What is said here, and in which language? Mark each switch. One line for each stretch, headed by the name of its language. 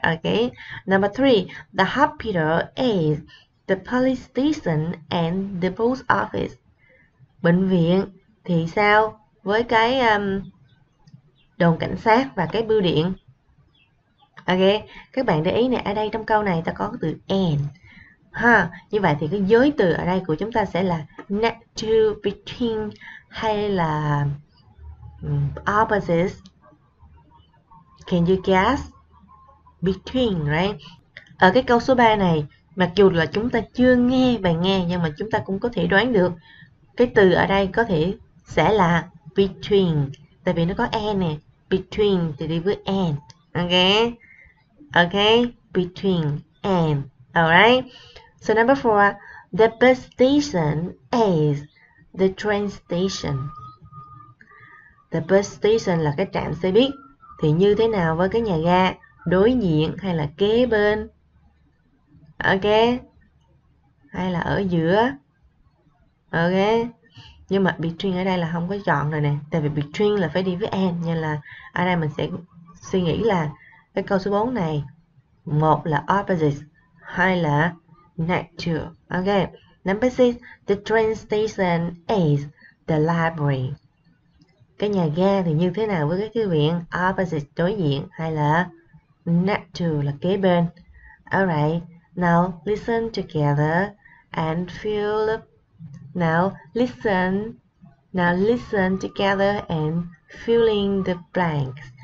English: Okay, number three, the hospital is the police station and the post office.
Vietnamese: Bệnh viện thì sao với cái đồn cảnh sát và cái bưu điện? Okay, các bạn để ý nè, ở đây trong câu này ta có từ and. Ha, như vậy thì cái giới từ ở đây của chúng ta sẽ là next to, between hay là opposite.
English: Can you guess? Between, right?
Vietnamese: Ở cái câu số 3 này, mặc dù là chúng ta chưa nghe bài nghe nhưng mà chúng ta cũng có thể đoán được cái từ ở đây có thể sẽ là between, tại vì nó có and nè, between thì đi với and.
English: Okay. Okay, between and. Alright, so number four, the bus station is the train station. The bus station
Vietnamese: là cái trạm xe buýt. Thì như thế nào với cái nhà ga đối diện hay là kế bên? Okay, hay là ở giữa? Okay, nhưng mà between ở đây là không có chọn rồi nè. Tại vì between là phải đi với and, nên là ở đây mình sẽ suy nghĩ là cái câu số 4 này, một là opposite, hai là nature.
English: Okay, number six, the train station is the library.
Vietnamese: Cái nhà ga thì như thế nào với cái thư viện? Opposite, đối diện, hay là nature, là kế bên?
English: Alright, now listen together and fill up. Now listen together and filling the blanks.